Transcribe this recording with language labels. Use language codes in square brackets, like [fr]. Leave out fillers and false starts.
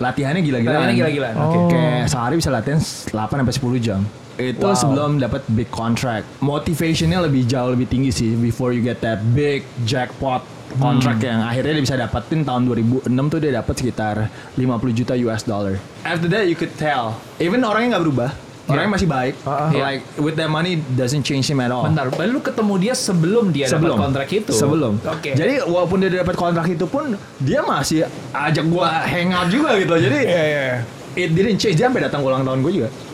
[id] Latihannya gila-gilaan. Kayak sehari bisa latihan 8-10 jam. Itu sebelum dapat [en] big contract. [id] Motivationnya lebih jauh lebih tinggi sih, [en] before you get that big jackpot contract [id] yang akhirnya dia bisa dapetin tahun 2006 tuh dia dapat sekitar $50 juta. [en] After that you could tell, even [id] orangnya gak berubah. Orangnya masih baik. [en] Like with that money doesn't change him at all. [id] Bentar, baru lu ketemu dia sebelum dia dapat kontrak itu. Sebelum. Oke. Jadi walaupun dia dapat kontrak itu pun dia masih ajak gua hangout juga gitu. Jadi [en] it didn't change, [id] dia sampai datang ulang tahun gua juga.